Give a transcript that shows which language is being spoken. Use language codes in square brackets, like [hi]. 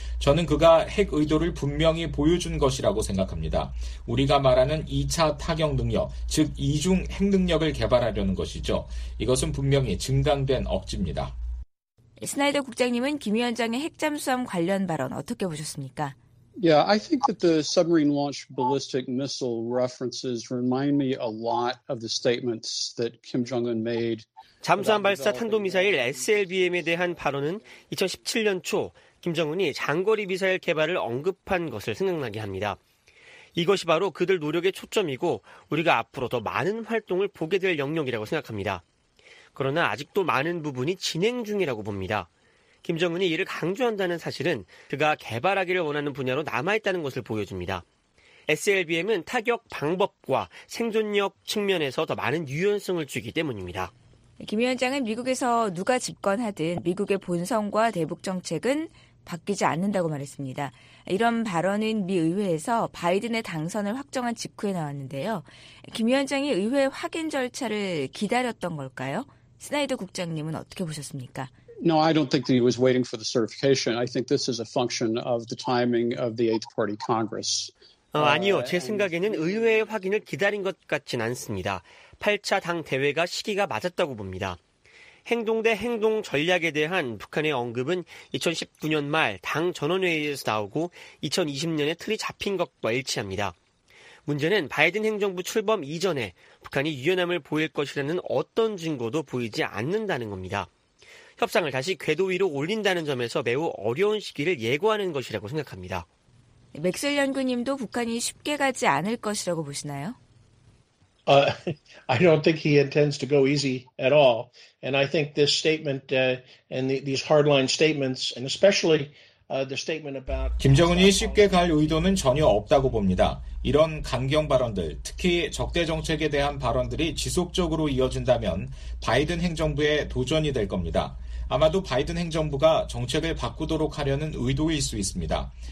[ko] 저는 그가 핵 의도를 분명히 보여준 것이라고 생각합니다. 우리가 말하는 2차 타격 능력, 즉 이중 핵 능력을 개발하려는 것이죠. 이것은 분명히 증강된 억지입니다. 스나이더 국장님은 김 위원장의 핵잠수함 관련 발언 어떻게 보셨습니까? [en] Yeah, I think that the submarine launch ballistic missile references remind me a lot of the statements that Kim Jong-un made. [ko] 잠수함 발사 탄도미사일 SLBM에 대한 발언은 2017년 초 김정은이 장거리 미사일 개발을 언급한 것을 생각나게 합니다. 이것이 바로 그들 노력의 초점이고 우리가 앞으로 더 많은 활동을 보게 될 영역이라고 생각합니다. 그러나 아직도 많은 부분이 진행 중이라고 봅니다. 김정은이 이를 강조한다는 사실은 그가 개발하기를 원하는 분야로 남아있다는 것을 보여줍니다. SLBM은 타격 방법과 생존력 측면에서 더 많은 유연성을 주기 때문입니다. 김 위원장은 미국에서 누가 집권하든 미국의 본성과 대북 정책은 바뀌지 않는다고 말했습니다. 이런 발언은 미 의회에서 바이든의 당선을 확정한 직후에 나왔는데요. 김 위원장이 의회 확인 절차를 기다렸던 걸까요? 스나이더 국장님은 어떻게 보셨습니까? [en] No, I don't think that he was waiting for the certification. I think this is a function of the timing of the Eighth Party Congress. [ko] 아니요. 제 생각에는 의회의 확인을 기다린 것 같진 않습니다. 8차 당 대회가 시기가 맞았다고 봅니다. 행동 대 행동 전략에 대한 북한의 언급은 2019년 말 당 전원회의에서 나오고 2020년에 틀이 잡힌 것과 일치합니다. 문제는 바이든 행정부 출범 이전에 북한이 유연함을 보일 것이라는 어떤 증거도 보이지 않는다는 겁니다. 협상을 다시 궤도 위로 올린다는 점에서 매우 어려운 시기를 예고하는 것이라고 생각합니다. 맥슬 연구님도 북한이 쉽게 가지 않을 것이라고 보시나요? [en] I don't think he intends to go easy at all. And I think this statement and these hardline statements and especially the statement about [ko] 김정은이 쉽게 갈 의도는 전혀 없다고 봅니다. 이런 강경 발언들, 특히 적대 정책에 대한 발언들이 지속적으로 이어진다면 바이든 행정부의 도전이 될 겁니다. 아마도 바이든 행정부가 정책을 바꾸도록 하려는 의도일 수 있습니다.